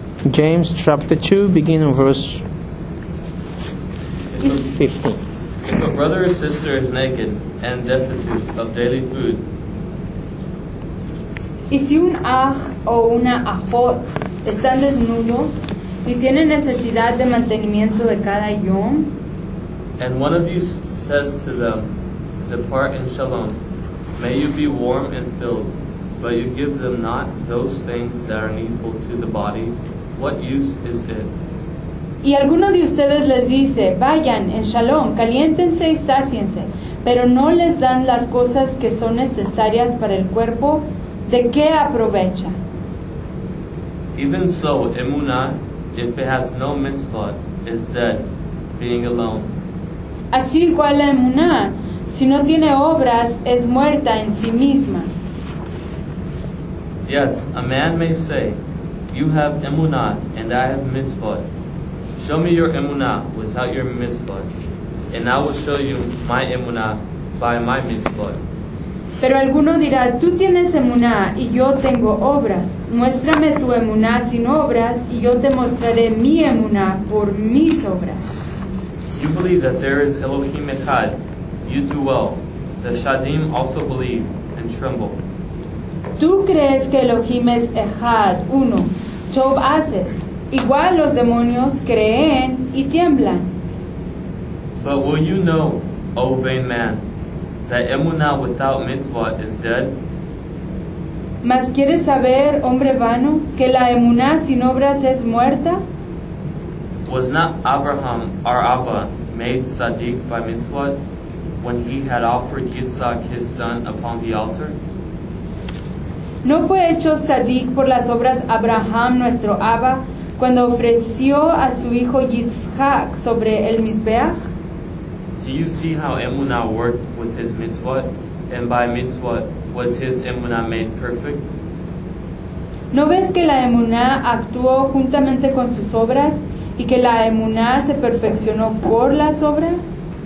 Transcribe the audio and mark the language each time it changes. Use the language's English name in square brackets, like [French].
[English] James chapter 2, beginning verse 15. If a brother or sister is naked and destitute of daily food, [Spanish] y si un aj o una ajot están desnudos y tienen necesidad de mantenimiento de cada yom, [English] and one of you says to them, depart in shalom, may you be warm and filled, but you give them not those things that are needful to the body, what use is it? [Spanish] Y alguno de ustedes les dice, vayan en shalom, caliéntense y sáciense, pero no les dan las cosas que son necesarias para el cuerpo, ¿de qué aprovecha? [English] Even so, emunah, if it has no mitzvot, is dead, being alone. [Spanish] Así igual la emunah, si no tiene obras, es muerta en sí misma. [English] Yes, a man may say, you have emunah and I have mitzvot. Show me your emunah without your mitzvot, and I will show you my emunah by my mitzvot. [Spanish] Pero alguno dirá, tú tienes emunah y yo tengo obras. Muéstrame tu emunah sin obras y yo te mostraré mi emunah por mis obras. [English] You believe that there is Elohim Echad. You do well. The Shadim also believe and tremble. [Spanish] Tú crees que Elohim es Echad, uno. Tov haces. Igual los demonios creen y tiemblan. [English] But will you know, O vain man, that emunah without mitzvot is dead? [Spanish] ¿Mas quieres saber, hombre vano, que la emunah sin obras es muerta? [English] Was not Abraham, our Abba, made tzaddik by mitzvot, when he had offered Yitzhak his son upon the altar? [Spanish] ¿No fue hecho tzadik por las obras Abraham, nuestro Abba, cuando ofreció a su hijo Yitzhak sobre el Mizbeach? [English] Do you see how emunah worked with his mitzvot, and by mitzvot was his emunah made perfect? [Spanish] ¿No ves que la emunah actuó juntamente con sus obras, y que la emunah se perfeccionó por las obras?